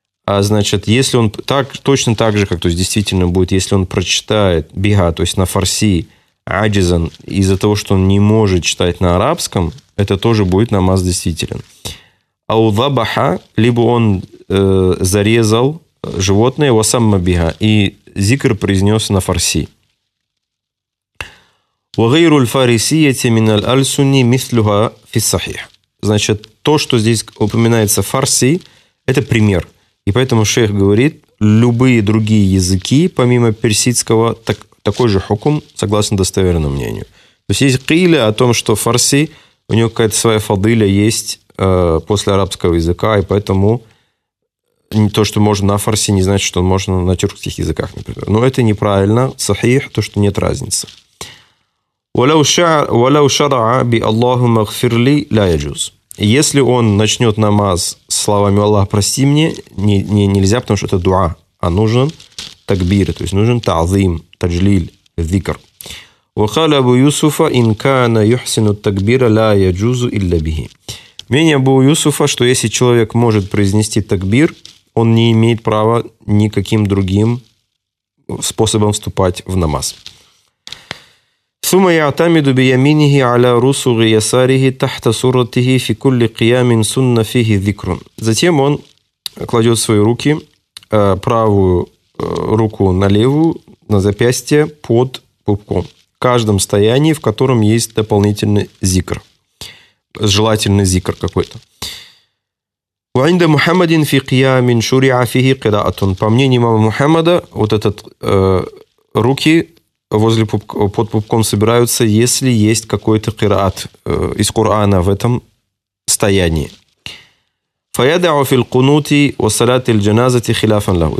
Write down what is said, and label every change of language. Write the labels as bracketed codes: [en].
[ru] А значит, если он так, точно так же, как то есть действительно будет, если он прочитает бига, то есть на фарси, аджизан, из-за того, что он не может читать на арабском, это тоже будет намаз действителен. А у забаха, либо он зарезал животное, его сам бига, и зикр произнес на фарси. [ar] وغيرُ الفارسية من الألسنة مثلها في الصحيح. [ru] Значит, то, что здесь упоминается фарси, это пример. И поэтому шейх говорит, любые другие языки, помимо персидского, так, такой же хукм, согласно достоверному мнению. То есть есть киля о том, что фарси, у него какая-то своя фадыля есть после арабского языка, и поэтому не то, что можно на фарси, не значит, что можно на тюркских языках, например. Но это неправильно, сахих, то, что нет разницы. [ar] وَلَوْ شَرَعَ بِاللَّهُمَ اغْفِرْ لِي لَا يَجُوز. [ru] Если он начнет намаз словами «Аллах, прости мне», нельзя, потому что это дуа, а нужен такбир, то есть нужен та'зим, таджлиль, зикр. [ar] وَخَالَ أَبُوْ يُسُفَ إِنْ كَانَ يُحْسِنُ التَّكْبِيرَ لَا يَجُوزُ إِلَّا بِهِ. [ru] Мнение Абу Юсуфа, что если человек может произнести такбир, он не имеет права никаким другим способом вступать в намаз. [ar] ثم يعتمد بيمينه على رسغ يساره تحت سورته في كل قيام سنة فيه ذكر. [ru] Затем он кладет свои руки, правую руку на левую, на запястье под пупком. В каждом стоянии, в котором есть дополнительный зикр. Желательный зикр какой-то. [ar] وعند محمد في قيام شرع فيه قراءة. [ru] По мнению имама Мухаммада, вот этот руки возле пупка, под пупком собираются, если есть какой-то кираат из Корана в этом стоянии. [ar] فَيَدَعُ فِي الْقُنُوتِ وَصَلَاتِ الْجَنَازَةِ خِلَافًا لَهُ.